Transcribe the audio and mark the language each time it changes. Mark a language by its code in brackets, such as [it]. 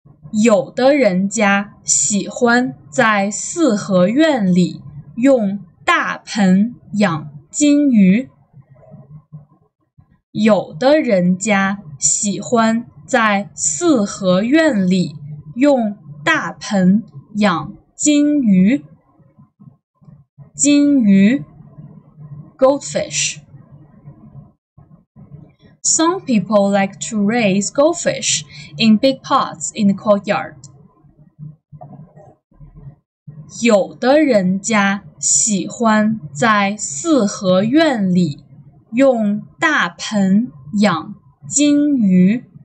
[zh] 有的人家喜欢在四合院里用大盆养金鱼。有的人家喜欢在四合院里用大盆养金鱼。 [en] 金鱼 Goldfish Some people like to raise goldfish in big pots in the courtyard. [zh] 有的人家喜欢在四合院里用大盆养金鱼。